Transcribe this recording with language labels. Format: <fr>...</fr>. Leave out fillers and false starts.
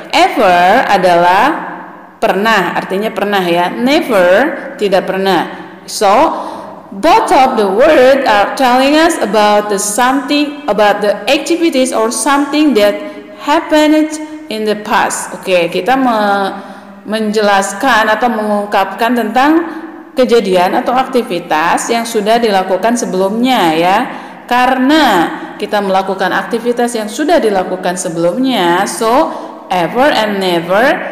<id>Ever adalah pernah, artinya pernah ya. Never tidak pernah.</id> <en>So, both of the word are telling us about the something, about the activities or something that happened in the past.</en> <id>Oke, okay, kita menjelaskan atau mengungkapkan tentang kejadian atau aktivitas yang sudah dilakukan sebelumnya ya. Karena kita melakukan aktivitas yang sudah dilakukan sebelumnya,</id> <en>so ever and never</en>